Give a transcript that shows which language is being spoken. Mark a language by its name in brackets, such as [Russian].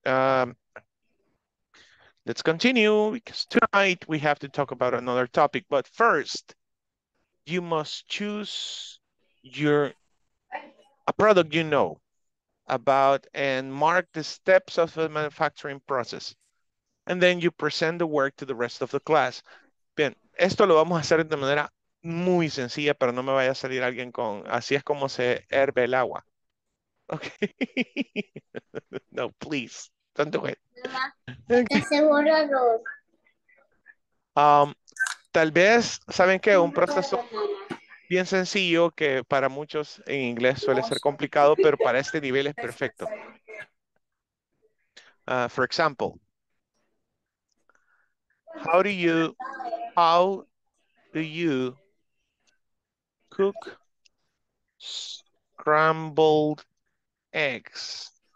[English] Let's continue because tonight we have to talk about another topic. But first, you must choose a product you know about and mark the steps of the manufacturing process. And then you present the work to the rest of the class. [Spanish] Bien, esto lo vamos a hacer de manera muy sencilla, pero no me vaya a salir alguien con, así es como se hierve el agua. [English] Okay. No, please, don't do it. Okay. [Spanish] Tal vez, ¿saben qué? Un proceso bien sencillo que para muchos en inglés suele ser complicado, pero para este nivel es perfecto. [English] For example, how do you cook scrambled eggs?